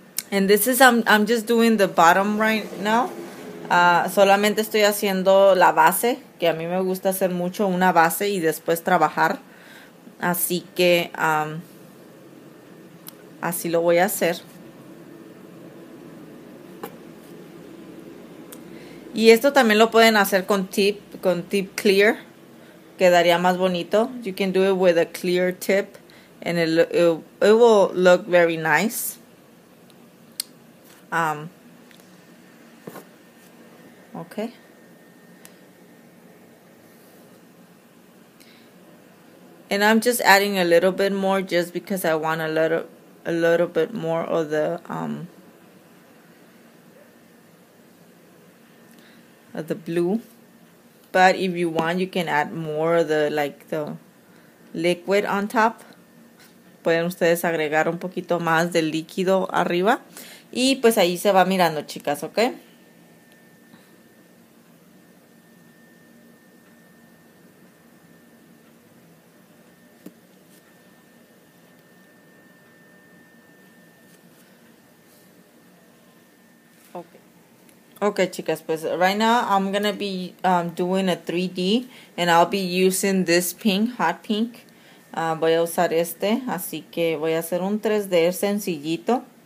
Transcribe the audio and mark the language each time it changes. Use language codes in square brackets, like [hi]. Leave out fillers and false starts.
[en] And this is I'm just doing the bottom right now. [es] Solamente estoy haciendo la base, que a mí me gusta hacer mucho una base y después trabajar. Así que así lo voy a hacer. Y esto también lo pueden hacer con tip clear. Quedaría más bonito. [en] You can do it with a clear tip and it will look very nice. Okay. And I'm just adding a little bit more just because I want a little bit more of the the blue, but if you want, you can add more of the liquid on top. [es] Pueden ustedes agregar un poquito más del líquido arriba, y pues ahí se va mirando, chicas, ¿ok? [en] Okay, [es] chicas, pues [en] right now I'm going to be doing a 3D, and I'll be using this pink, hot pink. [es] Voy a usar este, así que voy a hacer un 3D sencillito.